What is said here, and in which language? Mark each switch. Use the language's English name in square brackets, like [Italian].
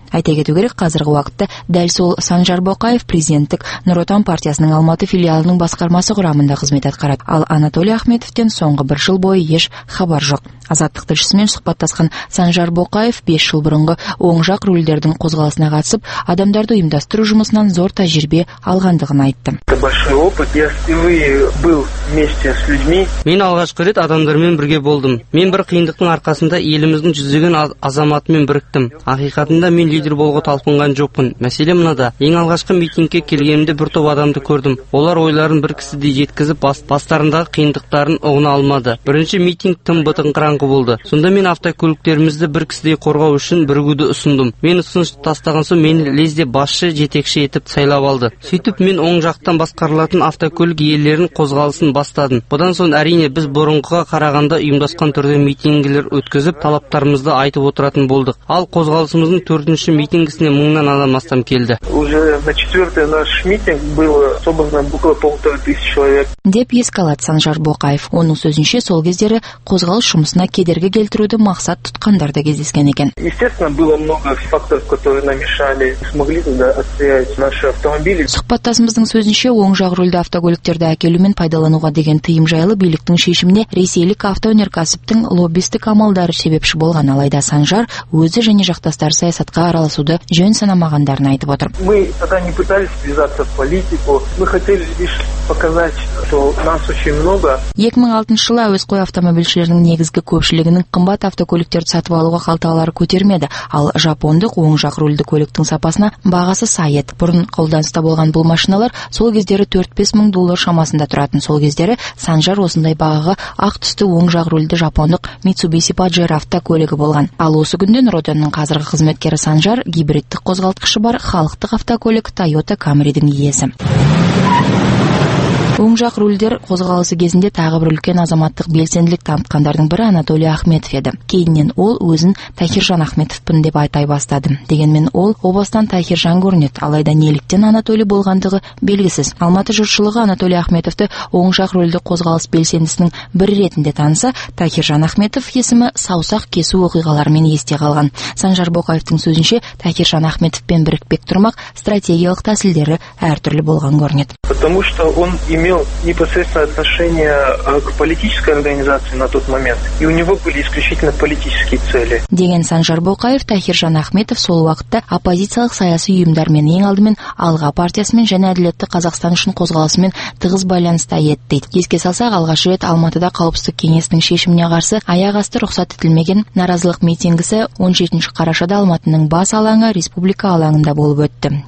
[Kazakh] Айта кету керек, қазіргі уақытта дәл сол Санжар Бокаев президенттік Нұр Отан партиясының Алматы филиалының басқармасы құрамында қызмет атқарады. Ал Анатолий Ахметовтен соңғы бір жыл бойы еш хабар жоқ. Азаттық тілшісімен сұхбаттасқан Санжар Бокаев 5 жыл бұрынғы оң жақ рулдердің қозғалысына қатысып, адамдарды ұйымдастыру жұмысынан зор тәжірибе алғандығын айтты. [Russian] Большой опыт. Я впервые был вместе с людьми. [Kazakh] Мен алғашқы рет адамдармен бірге болдым. Мен бір қиындықтың арқасында еліміздің жүздеген азаматымен біріктім. Ақиқатында мен лидер болуға талпынған жоқпын. Мәселе мынада. Ең алғашқы митингке келгенімде бір топ адамды көрдім. Олар ойларын бір кісіде жеткізіп, бастарындағы қиындықтарын ұғына алмады. Бірінші митинг тым бытыңқыраңқы болды. Сонда мен автокөліктерімізді бір кісіде қорғау үшін бірігуді ұсындым. Мен ұсыныс тастаған соң мені лезде басшы жетекші етіп сайлап алды. Сөйтіп мен оң жақтан басқарылатын автокөлік иелерін қозғалысын бастадым. Бұдан соң әрине біз бұрынғыға қарағанда ұйымдасқан түрде митингілер өткізіп, талаптарымызды айтып отыратын болдық. Ал қозғалысымыздың 4-ші митингісіне 1000-нан адам астам келді. [Russian] Уже на четвертый наш митинг было собрано около 1500 человек. [Kazakh] Деп ескалат Санжар Боқаев. Оның сөзінше сол кездері қозғалыс жұмысына кедергі келтіруді мақсат тұтқандар да кездескен екен. [Russian] Естественно, было много факторов, которые нам мешали, смогли отстоять наши автомобили. [Kazakh] Сұхбаттасымыздың сөзінше оң жақ рульді автокөліктерді әкелу мен пайдалануға деген тыйым жайлы биліктің шешіміне ресейлік автоөнеркәсіптің лоббистік амалдары себепші болған, алайда Санжар өзі және жақтастары саясатқа араласуды жөн санамағандарын айтып отыр. [Russian] Мы тогда не пытались ввязаться в политику, мы хотели лишь показать, что нас очень много. [Kazakh] 2006 жылы әуесқой автомобильшілердің негізгі көпшілігінің қымбат автокөліктерді сатып алуға қалталары көтермеді, ал жапондық оң жақ рульді көліктің сапасына бағасы сайет. Бұрын қолданыста болған бұл машиналар сол кездері 4-5 мың доллар шамасында тұратын. Сол кездері Санжар осындай бағаға ақ түсті оң жақ рульді жапондық Mitsubishi Pajero автокөлігі болған. Ал осы күнде Нұроданның қазіргі қызметкері Санжар гибридтік қозғалтқышы бар халықтық автокөлік Toyota Camry-дің иесі. Оң жақ рульдер қозғалысы кезінде тағы бір үлкен азаматтық белсенділік танытқандардың бірі Анатолий Ахметов еді. Кейіннен ол өзін Тахиржан Ахметовпын деп айтай бастады. Дегенмен ол обастан Тахиржан көрінеді, алайда неліктен Анатолий болғандығы белгісіз. Алматы жұртшылығы Анатолий Ахметовты оң жақ рульді қозғалыс белсендісінің бірі ретінде таныса, Тахиржан Ахметов есімі саусақ кесу оқиғаларымен есте қалған. Санжар Боқаевтың сөзінше, Тахиржан Ахметовпен бірікпек тұрмақ стратегиялық тәсілдері әртүрлі болған көрінеді. [Russian] Потому что он имел непосредственное отношение к политической организации на тот момент, и у него были исключительно политические цели. [Kazakh] Деген Санжар Боқаев, Тахиржан Ахметов сол уақытта оппозициялық саяси ұйымдармен, ең алдымен Алға партиясымен және Әділетті Қазақстан үшін қозғалысымен тығыз байланыста еді дейді. Еске салсақ, алғашқы рет Алматыда қауіпсіздік кеңесінің шешіміне қарсы аяқ асты рұқсат етілмеген наразылық митингісі 17 қарашада Алматының бас алаңы Республика алаңында болып өтті.